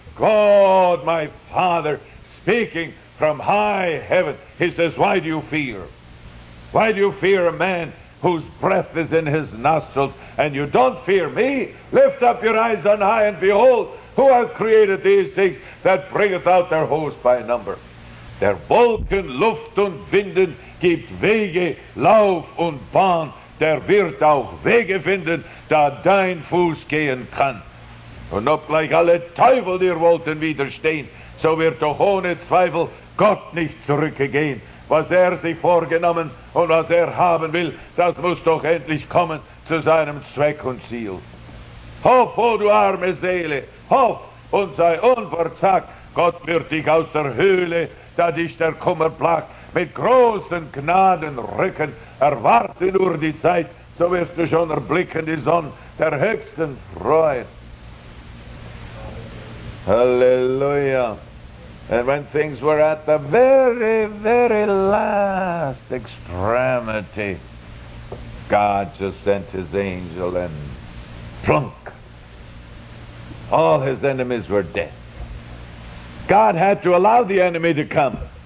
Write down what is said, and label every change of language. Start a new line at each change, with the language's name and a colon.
English: God, my Father, speaking from high heaven. He says, why do you fear? Why do you fear a man whose breath is in his nostrils, and you don't fear me? Lift up your eyes on high and behold, who hath created these things that bringeth out their host by number?
German: Der Wolken, Luft und Winden gibt Wege, Lauf und Bahn. Der wird auch Wege finden, da dein Fuß gehen kann. Und obgleich alle Teufel dir wollten widerstehen, so wird doch ohne Zweifel Gott nicht zurückgehen. Was er sich vorgenommen und was er haben will, das muss doch endlich kommen zu seinem Zweck und Ziel. Hoff, o du arme Seele, hoff und sei unverzagt. Gott wird dich aus der Höhle, da dich der Kummer plagt, mit großen Gnaden rücken. Erwarte nur die Zeit, so wirst du schon erblicken die Sonne der höchsten Freude. Halleluja.
English: And when things were at the very, very last extremity, God just sent his angel and plunk. All his enemies were dead. God had to allow the enemy to come.